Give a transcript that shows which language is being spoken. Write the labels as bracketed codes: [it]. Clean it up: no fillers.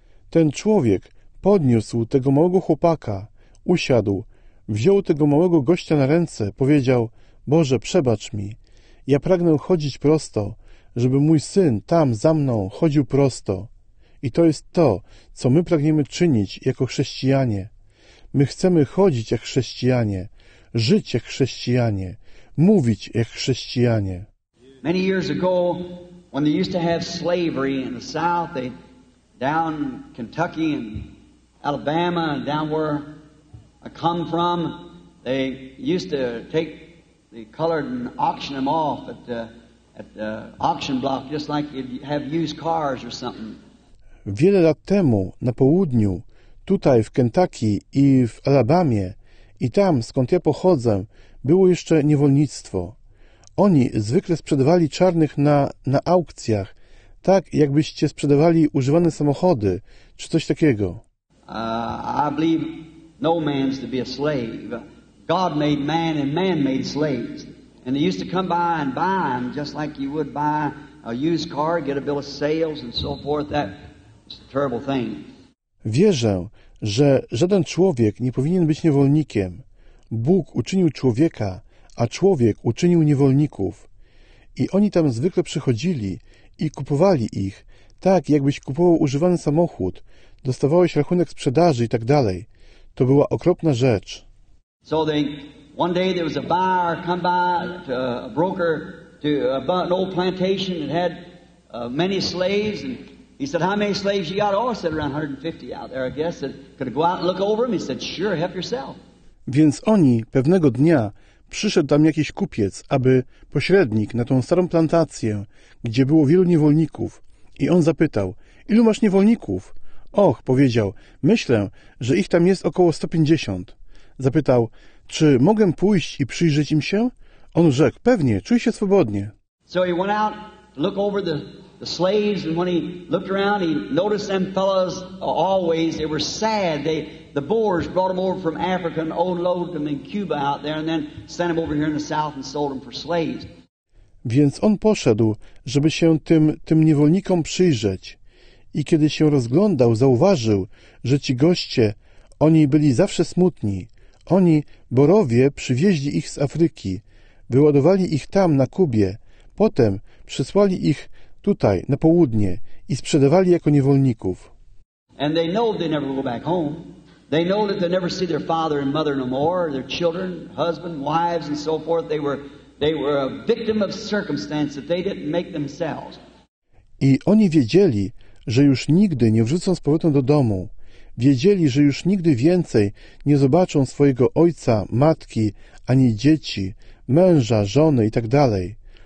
[pl] Ten człowiek podniósł tego małego chłopaka, usiadł, wziął tego małego gościa na ręce, powiedział, Boże, przebacz mi, ja pragnę chodzić prosto, żeby mój syn tam za mną chodził prosto. I to jest to, co my pragniemy czynić jako chrześcijanie. My chcemy chodzić jak chrześcijanie, żyć jak chrześcijanie, mówić jak chrześcijanie. [en] Many years ago, when they used to have slavery in the South, they down Kentucky and Alabama and down where I come from, they used to take the colored and auction them off at the auction block, just like you'd have used cars or something. [pl] Wiele lat temu na południu, tutaj w Kentucky i w Alabamie i tam, skąd ja pochodzę, było jeszcze niewolnictwo. Oni zwykle sprzedawali czarnych na aukcjach, tak jakbyście sprzedawali używane samochody czy coś takiego. [en] I believe no man's to be a slave. God made man and man made slaves. And they used to come by and buy them just like you would buy a used car, get a bill of sales and so forth. That's a terrible thing. [pl] Wierzę, że żaden człowiek nie powinien być niewolnikiem. Bóg uczynił człowieka, a człowiek uczynił niewolników. I oni tam zwykle przychodzili i kupowali ich, tak jakbyś kupował używany samochód, dostawałeś rachunek sprzedaży i tak dalej. To była okropna rzecz. [en] So they, one day there was a buyer come by, to a broker, to an old plantation that had many slaves and he said, how many slaves you got? Oh, I said, around 150 out there, I guess. Said, could I go out and look over them? He said, sure, help yourself. [pl] Więc oni, pewnego dnia, przyszedł tam jakiś kupiec, aby pośrednik na tą starą plantację, gdzie było wielu niewolników. I on zapytał, ilu masz niewolników? Och, powiedział, myślę, że ich tam jest około 150. Zapytał, czy mogę pójść i przyjrzeć im się? On rzekł, pewnie, czuj się swobodnie. [en] So he went out, look over the slaves, and when he looked around, he noticed them fellows always, they were sad. The Boers brought them over from Africa and unloaded them in Cuba out there, and then sent them over here in the south and sold them for slaves. [pl] Więc on poszedł, żeby się tym niewolnikom przyjrzeć. I kiedy się rozglądał, zauważył, że ci goście, oni byli zawsze smutni. Oni, Borowie, przywieźli ich z Afryki, wyładowali ich tam, na Kubie, potem przysłali ich tutaj, na południe i sprzedawali jako niewolników. [en] And they know they never go back home. They know that they never see their father and mother no more, their children, husband, wives and so forth. They were a victim of circumstance that they didn't make themselves. [pl] I oni wiedzieli, że już nigdy nie wrócą z powrotem do domu. Wiedzieli, że już nigdy więcej nie zobaczą swojego ojca, matki, ani dzieci, męża, żony i tak dalej.